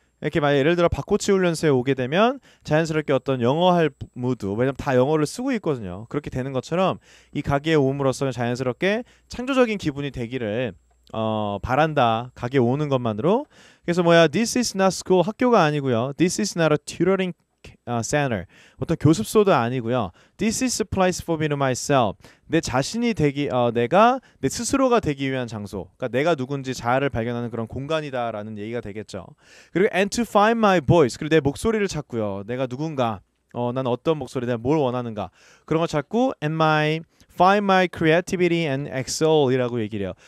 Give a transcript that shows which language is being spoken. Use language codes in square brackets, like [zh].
[ko] 이렇게 만약 예를 들어 박코치 훈련소에 오게 되면 자연스럽게 어떤 영어할 무드, 왜냐면 다 영어를 쓰고 있거든요. 그렇게 되는 것처럼 이 가게에 오므로써 자연스럽게 창조적인 기분이 되기를 바란다. 가게 오는 것만으로. 그래서 뭐야? [en] This is not school. [ko] 학교가 아니고요. [en] This is not a tutoring center. [ko] 어떤 교습소도 아니고요. [en] This is a place for me to myself. [ko] 내 자신이 되기 내가 내 스스로가 되기 위한 장소. 그러니까 내가 누군지 자아를 발견하는 그런 공간이다라는 얘기가 되겠죠. 그리고 [en] and to find my voice. [ko] 그리고 내 목소리를 찾고요. 내가 누군가. 난 어떤 목소리, 내가 뭘 원하는가. 그런 걸 찾고 [en] and my find my creativity and excel이라고 얘기를 해요.